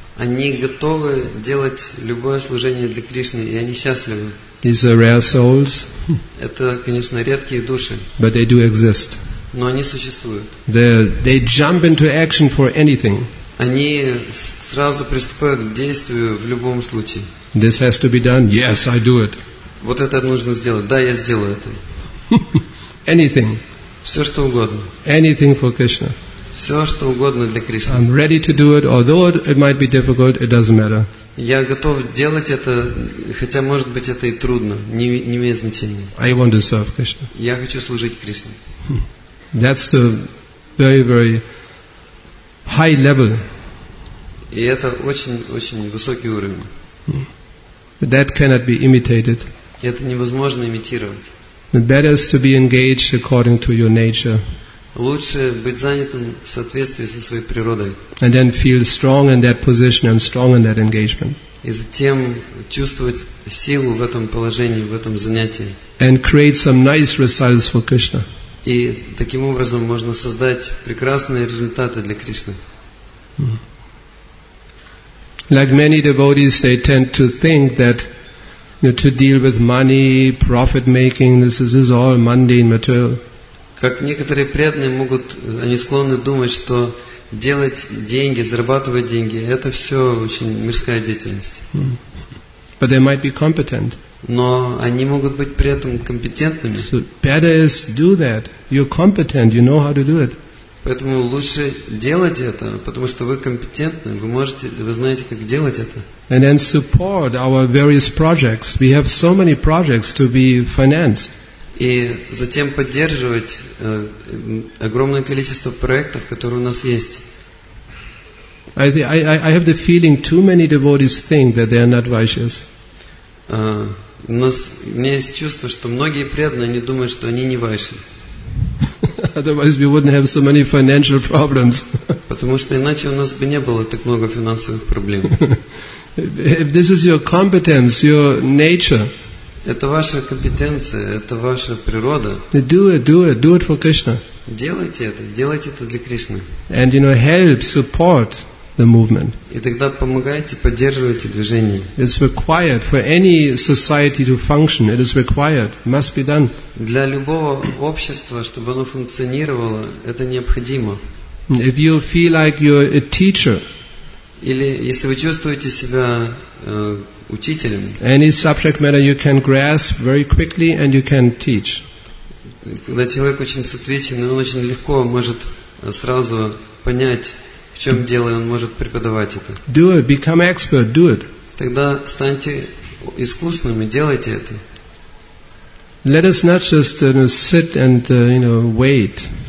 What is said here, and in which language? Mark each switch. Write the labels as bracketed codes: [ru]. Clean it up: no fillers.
[ru] Они готовы делать любое служение для Кришны, и они счастливы. [en] These are rare souls. [ru] Это, конечно, редкие души. [en] But they do exist. [ru] Но они существуют. [en] They jump into action for anything. [ru] Они сразу приступают к действию в любом случае. [en] This has to be done. Yes, I do it. [ru] Вот это нужно сделать. Да, я сделаю это. [en] Anything. [ru] Все что угодно. [en] Anything for Krishna. [ru] Все что угодно для Кришны. [en] I'm ready to do it, although it might be difficult. It doesn't matter. [ru] Я готов делать это, хотя, может быть, это и трудно, не имеет значения. [en] I want to serve Krishna. [ru] Я хочу служить Кришне. [en] That's the very, very high level. [ru] И это очень-очень высокий уровень. [en] That cannot be imitated. [ru] Это невозможно имитировать. [en] Better is to be engaged according to your nature. [ru] Лучше быть занятым в соответствии со своей природой. [en] And then feel strong in that position and strong in that engagement. [ru] И затем чувствовать силу в этом положении, в этом занятии. [en] And create some nice results for Krishna. [ru] И таким образом можно создать прекрасные результаты для Кришны. [en] Like many devotees, they tend to think that to deal with money, profit making, this is all mundane material. [ru] Как некоторые преданные могут, они склонны думать, что делать деньги, зарабатывать деньги, это все очень мирская деятельность. [en] But they might be competent. [ru] Но они могут быть при этом компетентными. [en] So better is do that. You're competent. You know how to do it. [ru] Поэтому лучше делать это, потому что вы компетентны, вы знаете, как делать это. [en] And then support our various projects. We have so many projects to be financed. [ru] И затем поддерживать огромное количество проектов, которые у нас есть. [en] I have the feeling too many devotees think that they are not vaishyas. [ru] У меня есть чувство, что многие преданные, они думают, что они не вайши. [en] Otherwise we wouldn't have so many financial problems. [ru] Потому что иначе у нас бы не было так много финансовых проблем. [en] If this is your competence, your nature. [ru] Это ваша компетенция, это ваша природа. [en] Do it for Krishna. [ru] Делайте это для Кришны. [en] And help, support the movement. [ru] И тогда помогайте, поддерживайте движение. [en] It's required for any society to function. It is required, must be done. [ru] Для любого общества, чтобы оно функционировало, это необходимо. [en] If you feel like you're a teacher. [ru] Или если вы чувствуете себя учителем. [en] Any subject matter you can grasp very quickly and you can teach. [ru] Когда человек очень сообразительный, он очень легко может сразу понять, в чем дело, и он может преподавать это. [en] Do it, become expert, do it. [ru] Тогда станьте искусным и делайте это. [en] Let us not just sit and wait.